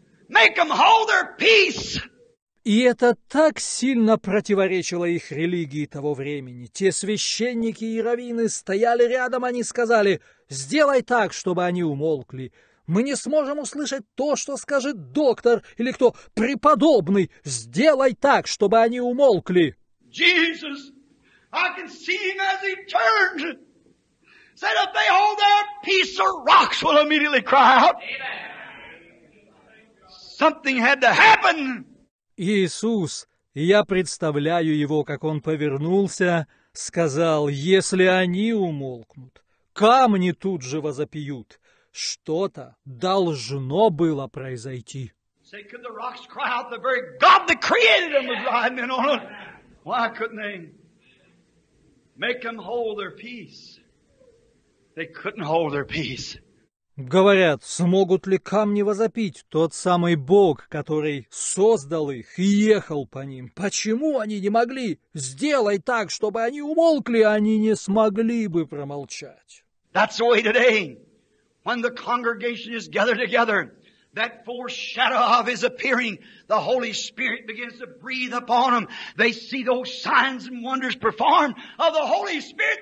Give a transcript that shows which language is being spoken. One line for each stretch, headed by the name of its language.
English: Make them hold their peace.
Russian: И это так сильно противоречило их религии того времени. Те священники и раввины стояли рядом, они сказали: сделай так, чтобы они умолкли. Мы не сможем услышать то, что скажет доктор или кто преподобный. Сделай так, чтобы они умолкли.
English: Jesus, I can see him as he turned. Said if they hold their peace, the rocks will immediately cry out. Amen. Something had to happen.
Russian: Иисус, я представляю его, как он повернулся, сказал: если они умолкнут, камни тут же возопьют. Что-то должно было произойти.
English: Say, could the rocks cry out? The very God that created them was riding on it. Why couldn't they make them hold their peace? They couldn't hold their peace.
Russian: Говорят, смогут ли камни возопить тот самый Бог, который создал их и ехал по ним? Почему они не могли? Сделай так, чтобы они умолкли, они не смогли бы промолчать.
English: That's the way today, when the congregation is gathered together, that foreshadow of his appearing, the Holy Spirit begins to breathe upon them. They see those signs and wonders performed of the Holy Spirit.